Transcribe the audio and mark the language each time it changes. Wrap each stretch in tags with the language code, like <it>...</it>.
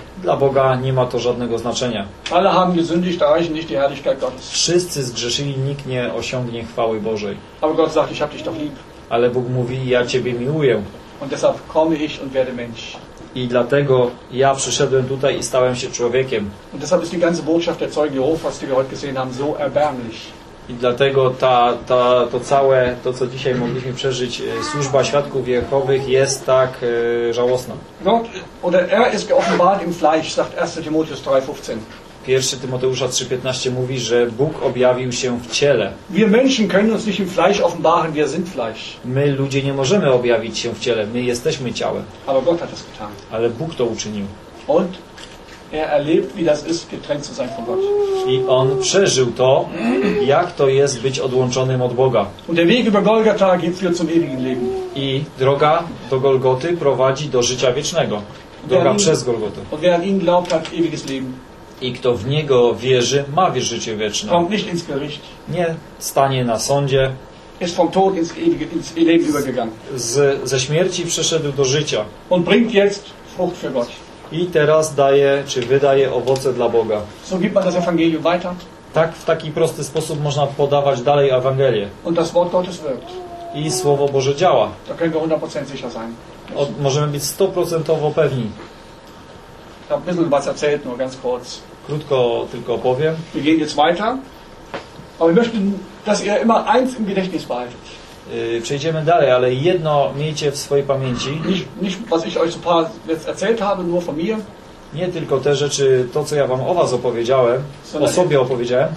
<pl>Dla Boga nie ma to żadnego znaczenia.</pl> <de>Alle haben gesündigt, erreichen nicht die Herrlichkeit Gottes.</de> <pl>Wszyscy zgrzeszyli, nikt nie osiągnie chwały Bożej.</pl> <de>Aber Gott sagt, ich hab dich doch lieb.</de> <pl>Ale Bóg mówi, ja Ciebie miłuję.</pl> <de>Und deshalb komme ich und werde Mensch.</de> <pl>I dlatego ja przyszedłem tutaj i stałem się człowiekiem.</pl> <de>Und deshalb ist die ganze Botschaft der Zeugen Jehovas, die wir heute gesehen haben, so erbärmlich.</de> <pl>I dlatego to całe, to co dzisiaj mogliśmy przeżyć, służba świadków Jehowych jest tak żałosna.</pl> <de>No, oder er ist geoffenbart im Fleisch, sagt 1 Timotheus 3,15.</de> <pl>1 Tymoteusza 3,15 mówi, że Bóg objawił się w ciele.</pl> <de>Wir Menschen können uns nicht im Fleisch offenbaren, wir sind Fleisch.</de> <pl>My ludzie nie możemy objawić się w ciele, my jesteśmy ciałem.</pl> <de>Aber Gott hat das getan.</de> <pl>Ale Bóg to uczynił.</pl> <de>Und er erlebt, wie das ist, getrennt zu sein von Gott.</de> <pl>I on przeżył to, jak to jest być odłączonym od Boga.</pl> <de>Und der Weg über Golgatha geht für zum ewigen Leben.</de> <pl>I droga do Golgoty prowadzi do życia wiecznego. Droga przez Golgotę.</pl> <de>Und wer an ihn glaubt, hat ewiges Leben.</de> <pl>I kto w Niego wierzy, ma życie wieczne.</pl> <de>Kommt nicht ins Gericht.</de> <pl>Nie stanie na sądzie.</pl> <de>Ist vom Tod ins ewige, ins Leben übergegangen.</de> <pl>Ze śmierci przeszedł do życia.</pl> <de>Und bringt jetzt Frucht für Gott.</de> <pl>I teraz daje, czy wydaje owoce dla Boga.</pl> <de>So gibt man das Evangelium weiter.</de> <pl>Tak, w taki prosty sposób można podawać dalej Ewangelię.</pl> <de>Und das Wort Gottes wirkt.</de> <pl>I Słowo Boże działa.</pl> <de>Da können wir 100% sicher sein.</de> <pl>Możemy być 100% pewni.</pl> <de>Ich habe ein bisschen was erzählt, nur ganz kurz.</de> <pl>Krótko tylko powiem.</pl> <de>Wir gehen jetzt weiter. Aber wir möchten, dass ihr immer eins im Gedächtnis behaltet.</de> <pl>Przejdziemy dalej, ale jedno miejcie w swojej pamięci.</pl> <de>Nicht was ich euch so paar jetzt erzählt habe, nur von mir.</de> <pl>Nie tylko te rzeczy, to co ja wam o was opowiedziałem, o sobie opowiedziałem.</pl>